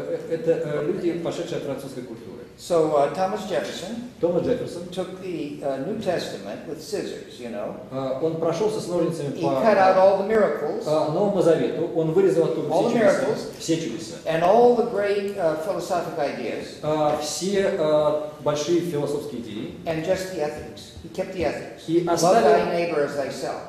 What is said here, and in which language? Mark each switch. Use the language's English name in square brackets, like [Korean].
[Russian] Это люди, пошедшие от французской культуры. [English] So Thomas Jefferson took the New Testament with scissors, you know. [Russian] Он прошелся с ножницами по. [English] He cut out all the miracles. [Russian] Новому Завету он вырезал оттуда [English] all [Russian] все [English] the miracles, [Russian] все чудеса. [English] And all the great philosophic ideas. [Russian] Все большие философские идеи. [English] And just the ethics. He kept the ethics. [Russian] И оставил. [English] Love thy neighbor as thyself.